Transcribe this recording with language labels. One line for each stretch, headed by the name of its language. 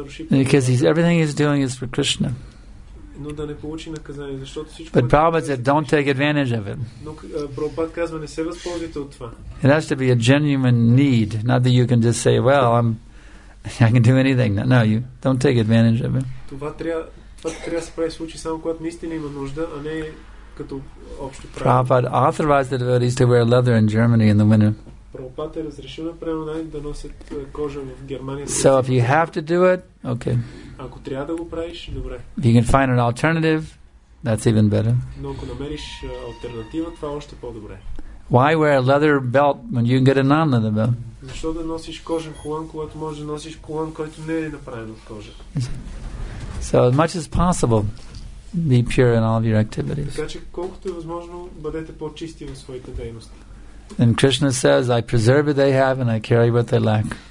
English: Because everything he's doing is for Krishna.
Bulgarian: Но да не получи наказание, защото всичко.
English: But Prabhupada said, don't take advantage of it.
Bulgarian: Но Прабхупад казва, не се възползвайте от това.
English: It has to be a genuine need, not that you can just say, well, I can do anything. No, you don't take advantage of it.
Bulgarian: Това трябва да се прави случай само когато наистина има нужда, а не като общо правило.
English: Prabhupada authorized the devotees to wear leather in Germany in the winter.
Bulgarian: Прабхупад е разрешил на преданите да носят кожа в Германия.
English: So if you have to do it, okay.
Bulgarian: Ако трябва да го правиш, добре.
English: If you can find an alternative, that's even better.
Bulgarian: Но ако намериш алтернатива, това е още по-добре.
English: Why wear a leather belt when you can get a non-leather belt?
Bulgarian: Защо да носиш кожен колан, когато можеш да носиш колан, който не е направен от кожа?
English: So as much as possible, be pure in all of your activities.
Bulgarian: Така че колкото е възможно, бъдете по-чисти в своите дейности.
English: And Krishna says, I preserve what they have and I carry what they lack.